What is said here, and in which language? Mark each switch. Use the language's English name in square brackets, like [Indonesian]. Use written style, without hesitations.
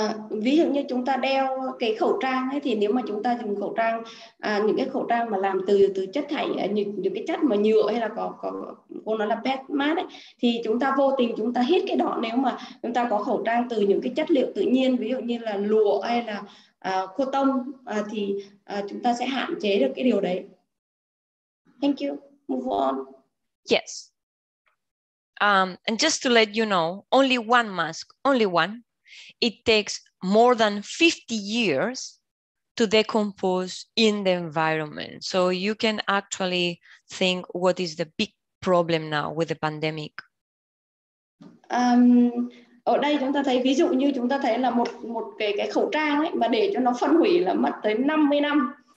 [Vietnamese] Ví dụ như chúng ta đeo cái khẩu trang ấy, thì nếu mà chúng ta dùng khẩu trang, những cái khẩu trang mà làm từ chất thải, những cái chất mà nhựa hay là có cô nói là PET mask ấy, thì chúng ta vô tình chúng ta hít cái đó, nếu mà chúng ta có khẩu trang từ những cái chất liệu tự nhiên, ví dụ như là lụa hay là cotton, thì chúng ta sẽ hạn chế được cái điều đấy. [English] Thank you. Move on. Yes. And just to let you know, only one mask, only one. It takes more than 50 years to decompose in the environment. So you can actually think what is the big problem now with the pandemic. [Vietnamese] ở đây chúng ta thấy ví dụ như chúng ta thấy là một cái khẩu trang ấy mà để cho nó phân hủy là mất tới 50 năm.